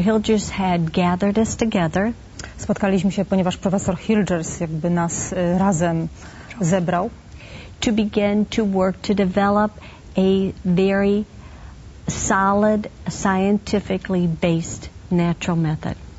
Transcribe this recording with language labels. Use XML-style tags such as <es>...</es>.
<en>Hilgers had gathered us together.</en> <pl>Spotkaliśmy się, ponieważ profesor Hilgers jakby nas razem zebrał,</pl> <en>to begin to work to develop a very solid, scientifically based natural method.</en>